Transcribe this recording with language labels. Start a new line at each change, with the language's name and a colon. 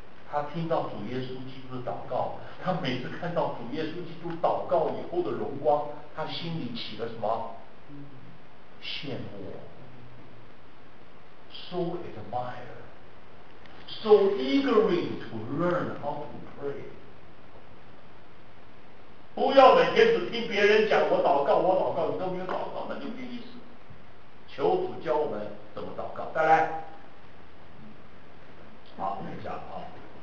Chinese: 他听到主耶稣基督的祷告，他每次看到主耶稣基督祷告以后的荣光，他心里起了什么？羡慕。
English: So admire, so eagerly to learn how to pray.
Chinese: 不要每天只听别人讲我祷告，我祷告，你都没有祷告，那就没意思。求主教我们怎么祷告。再来，好，等一下啊。